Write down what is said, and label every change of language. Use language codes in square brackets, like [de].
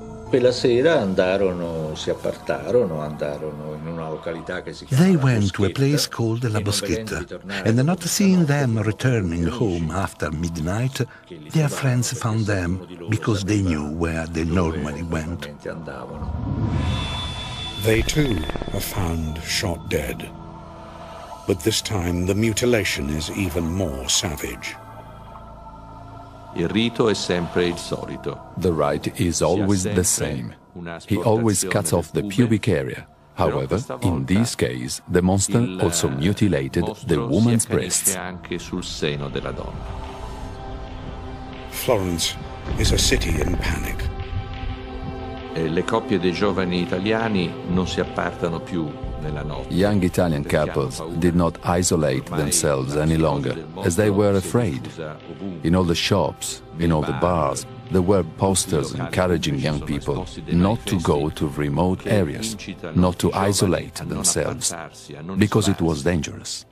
[it] Quella sera andarono, si appartarono, andarono in una località che si chiama. [en] They went to a place called La Boschetta, and not seeing them returning home after midnight, their friends found them because they knew where they normally went. They too are found shot dead. But this time the mutilation is even more savage. [it] Il rito è sempre il solito. [en] The rite is always the same. He always cuts off the pubic area. However, in this case, the monster also mutilated the woman's breasts. [it] Anche sul seno della donna. [en] Florence is a city in panic. [it] Le coppie dei giovani italiani non si appartano più nella notte. [en] Young Italian couples did not isolate themselves any longer, as they were afraid. In all the shops, in all the bars, there were posters encouraging young people not to go to remote areas, not to isolate themselves, because it was dangerous.